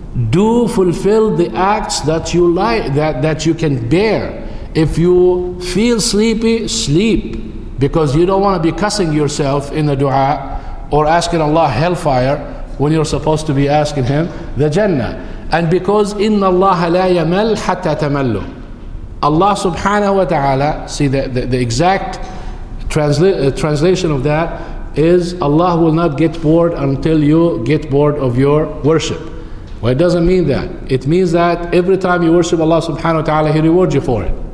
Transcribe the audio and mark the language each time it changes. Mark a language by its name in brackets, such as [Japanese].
[English] Do fulfill the acts that you like, that you can bear. If you feel sleepy, sleep, because you don't want to be cussing yourself in the dua or asking Allah hellfire when you're supposed to be asking Him the Jannah. And because [Arabic] إِنَّ اللَّهَ لَا يَمَلْ حَتَّى تَمَلُّ. [English] Allah subhanahu wa ta'ala, see the exact translation of that is, Allah will not get bored until you get bored of your worship. Well, it doesn't mean that. It means that every time you worship Allah subhanahu wa ta'ala, He rewards you for it.